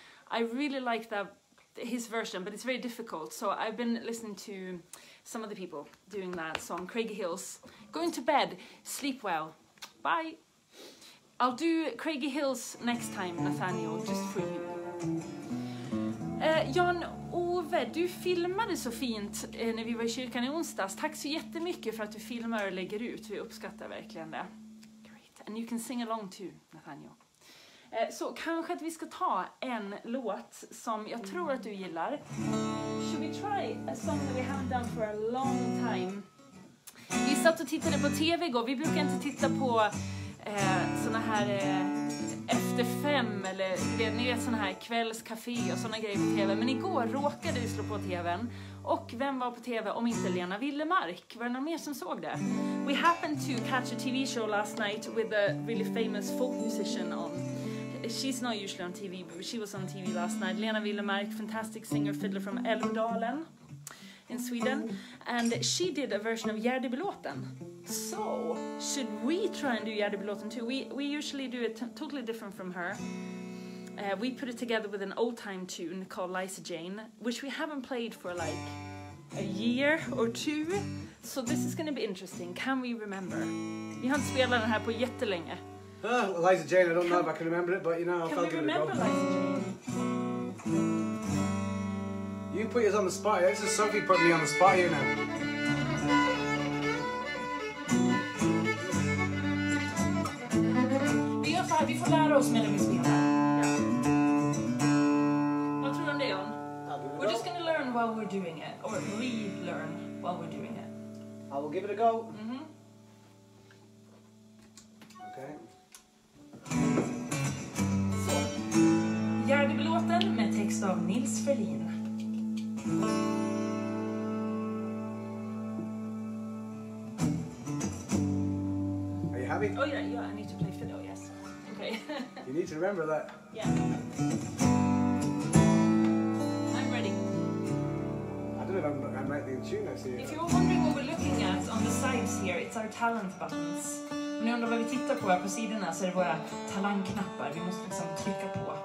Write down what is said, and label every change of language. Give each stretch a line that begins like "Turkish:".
English: I really like that, his version, but it's very difficult. So I've been listening to some of the people doing that song, Craigie Hills. Going to bed, sleep well. Bye. I'll do Craigie Hills next time, Nathaniel, just for you.
Swedish: Jan Ove, du filmade så fint när vi var i kyrkan i onsdags. Tack så jättemycket för att du filmar och lägger ut. Vi uppskattar verkligen det. Great.
English: And you can sing along too,
Swedish: Nathaniel. Så kanske att vi ska ta en låt som jag tror att du gillar.
English: Should we try a song that we haven't done for a long time?
Swedish: Vi satt och tittade på tv igår. Vi brukar inte titta på såna här efter fem eller ni vet såna här kvällscafé och såna grejer på tv. Men igår råkade vi slå på tvn. Och vem var på tv om inte Lena Willemark? Var det någon mer som såg det?
English: We happened to catch a TV show last night with a really famous folk musician on. She's not usually on TV, but she was on TV last night. Lena Willemark, fantastic singer, fiddler from Älvdalen in Sweden. And she did a version of Gärdebylåten. So, should we try and do Gärdebylåten too? We usually do it totally different from her. We put it together with an old-time tune called Lisa Jane, which we haven't played for like a year or two. So this is going to be interesting. Can we remember?
Swedish: Vi har inte spelat den här på jättelänge.
English: Liza Jane, I don't know if I can remember it, but you know, I felt good to go. Can we remember Liza Jane? You put us on the spot here. This is Sophie putting me on the spot here now.
Swedish: Vi gör så här, vi får lära oss medan vi spelar. Vad tror du om det, John?
English: We're just going to learn while we're doing it. Or re-learn while we're doing it. I will give it a go. Okay.
Swedish: Gärdebylåten med text av Nils Ferlin.
English: Are you happy? Oh yeah, yeah, I need to play fiddle, yes. Okay. You need to remember that. Yeah. I'm ready. I don't know if I'm right in tune, I see. If you're wondering what we're looking at on the sides here, it's our talent buttons.
Swedish: Nu undrar vad vi tittar på här på sidorna så är det våra talangknappar. Vi måste liksom trycka på.